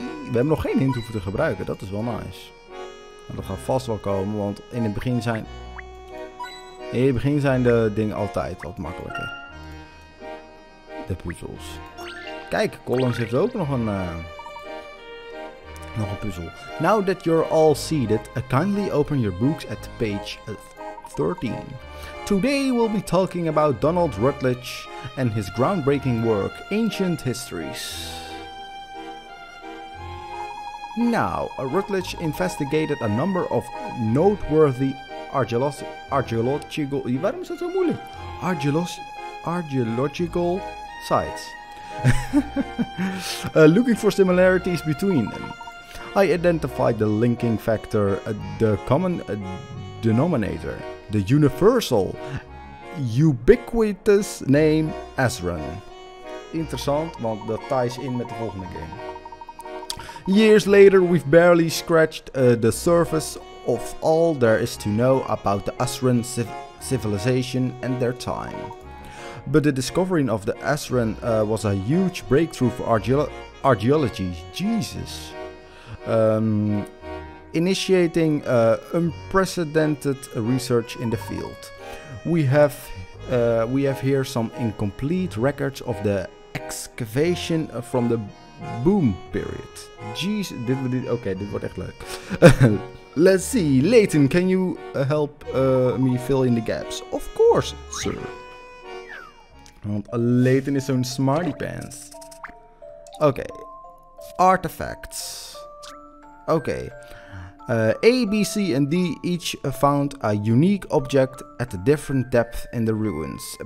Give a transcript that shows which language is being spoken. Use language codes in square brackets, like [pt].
[nl] We hebben nog geen hint hoeven te gebruiken. Dat is wel nice. Dat gaat vast wel komen, want in het begin zijn de dingen altijd wat makkelijker. De puzzels. Kijk, Collins heeft ook nog een puzzel. [en] Now that you're all seated, kindly open your books at page 13. Today we'll be talking about Donald Rutledge and his groundbreaking work, Ancient Histories. Now, Rutledge investigated a number of noteworthy archaeological sites, looking for similarities between them. I identified the linking factor, the common denominator, the universal, ubiquitous name, Asrun. [nl] Interessant, want dat [en] ties in [nl] met de volgende game. [en] Years later, we've barely scratched the surface of all there is to know about the Asrun civilization and their time. But the discovering of the Asrun was a huge breakthrough for archaeology. Jesus. Initiating unprecedented research in the field. We have here some incomplete records of the excavation from the Boom period. [nl] Jeez, dit wordt echt leuk. [en] Let's see, Leighton, can you help me fill in the gaps? Of course, sir. [nl] Want Leighton is zo'n [en] smarty pants. [nl] Oké. [en] Artifacts. Oké. A, B, C en D each found a unique object at a different depth in the ruins.